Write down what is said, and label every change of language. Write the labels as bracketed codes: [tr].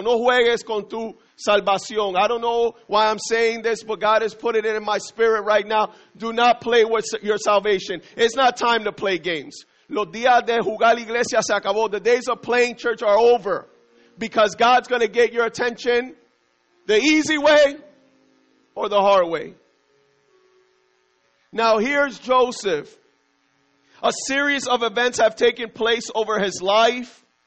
[es] No juegues con tu salvación. [en] I don't know why I'm saying this, but God has put it in my spirit right now. Do not play with your salvation. It's not time to play games. [es] Los días de jugar la iglesia se acabó. [en] The days of playing church are over. Because God's going to get your attention. The easy way or the hard way. Now here's Joseph. A series of events have taken place over his life.